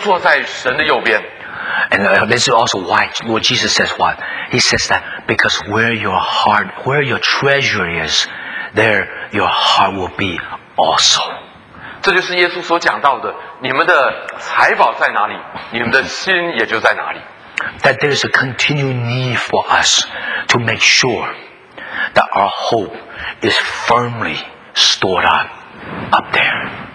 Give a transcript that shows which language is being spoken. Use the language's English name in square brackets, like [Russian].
[Chinese] 所以在哥罗西书第三章就讲到说，所以你们若真与基督一同复活，就当求上面的事，在那里有基督坐在神的右边。 [English] And this is also why Lord Jesus says what? He says that because where your heart, where your treasure is, there your heart will be also. [Chinese] 这就是耶稣所讲到的，你们的财宝在哪里，你们的心也就在哪里。 [English] That there is a continued need for us to make sure that our hope is firmly stored up there.